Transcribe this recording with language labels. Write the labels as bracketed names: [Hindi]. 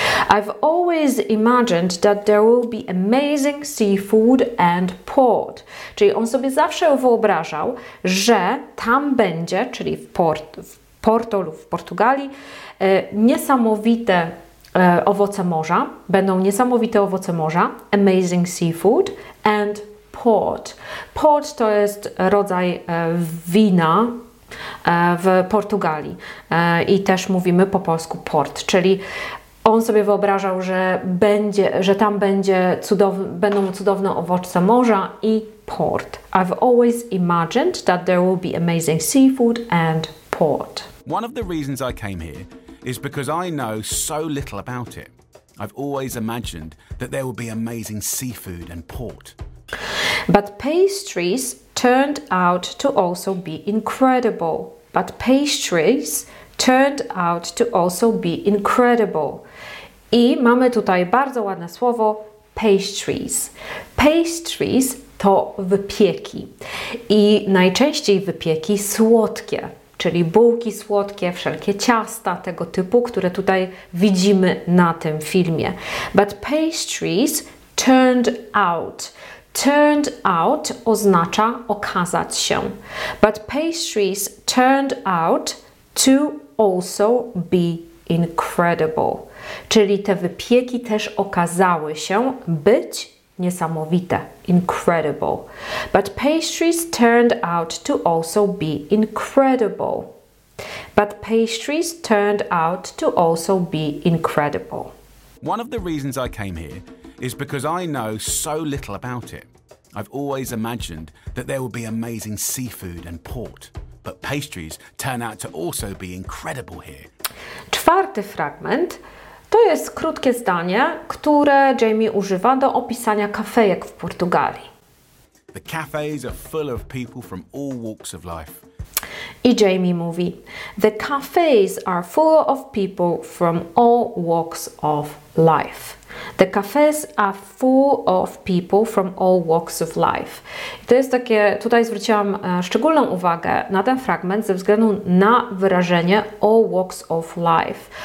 [English] I've always imagined that there will be amazing seafood and port. [Polish] Czyli on sobie zawsze wyobrażał, że tam będzie, czyli w Porto lub w Portugalii, niesamowite owoce morza, będą niesamowite owoce morza, [English] amazing seafood and port. [Polish] Port to jest rodzaj wina w Portugalii i też mówimy po polsku port, czyli on sobie wyobrażał, że tam będą cudowne owoce morza i port. [English] I've always imagined that there will be amazing seafood and port. One of the reasons I came here is because I know so little about it. I've always imagined that there would be amazing seafood and port. But pastries turned out to also be incredible. But pastries turned out to also be incredible. [Polish] I mamy tutaj bardzo ładne słowo pastries. Pastries to wypieki. I najczęściej wypieki słodkie, czyli bułki słodkie, wszelkie ciasta tego typu, które tutaj widzimy na tym filmie. [English] But pastries turned out. Turned out [Polish] oznacza okazać się. [English] But pastries turned out to also be incredible. [Polish] Czyli te wypieki też okazały się być niesamowite. [English] Incredible. But pastries turned out to also be incredible. But pastries turned out to also be incredible. One of the reasons I came here is because I know so little about it. I've always imagined that there would be amazing seafood and port, but pastries turn out to also be incredible here. [Polish] Czwarty fragment to jest krótkie zdanie, które Jamie używa do opisania kafejek w Portugalii. [English] The cafes are full of people from all walks of life. [Polish] I Jamie mówi, [English] the cafes are full of people from all walks of life. The cafes are full of people from all walks of life. [Polish] To jest takie, tutaj zwróciłam szczególną uwagę na ten fragment ze względu na wyrażenie [English] all walks of life.